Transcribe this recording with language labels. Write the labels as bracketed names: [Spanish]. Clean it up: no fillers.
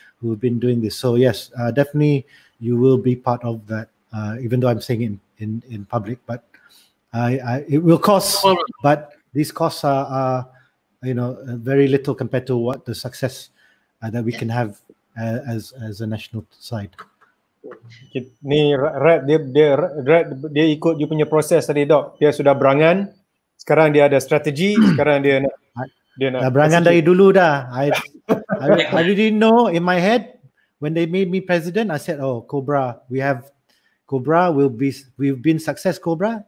[English] who've been doing this. So yes, definitely you will be part of that, even though I'm saying in public, but I it will cost, but these costs are you know, very little compared to what the success that we can have as a national side. [Malay] Ni Red, dia ikut you punya proses tadi, Dok. Dia sudah berangan, sekarang dia ada strategi, sekarang dia nak Berangan dari dulu dah. [English] I didn't know in my head when they made me president. I said, oh, Cobra, we have Cobra, we've been success, Cobra.